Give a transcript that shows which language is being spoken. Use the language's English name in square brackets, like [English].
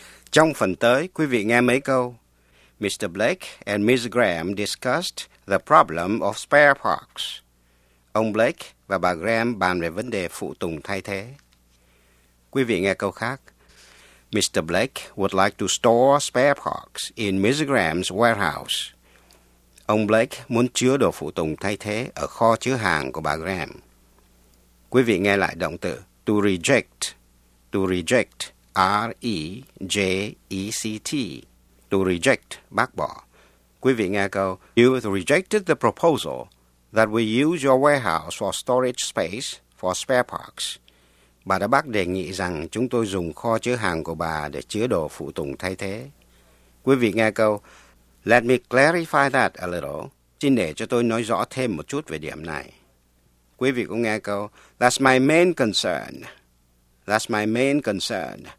[Vietnamese] Trong phần tới, quý vị nghe mấy câu. Mr. Blake and Ms. [English] Graham discussed the problem of spare parts. [Vietnamese] Ông Blake và bà Graham bàn về vấn đề phụ tùng thay thế. Quý vị nghe câu khác. Mr. [English] Blake would like to store spare parts in Ms. Graham's warehouse. [Vietnamese] Ông Blake muốn chứa đồ phụ tùng thay thế ở kho chứa hàng của bà Graham. Quý vị nghe lại động từ [English] to reject. To reject, R-E-J-E-C-T. To reject, [Vietnamese] bác bỏ. Quý vị nghe câu. [English] You have rejected the proposal that we use your warehouse for storage space for spare parts. [Vietnamese] Bà đã bác đề nghị rằng chúng tôi dùng kho chứa hàng của bà để chứa đồ phụ tùng thay thế. Quý vị nghe câu. [English] Let me clarify that a little. [Vietnamese] Xin để cho tôi nói rõ thêm một chút về điểm này. Quý vị cũng nghe câu. [English] That's my main concern. That's my main concern.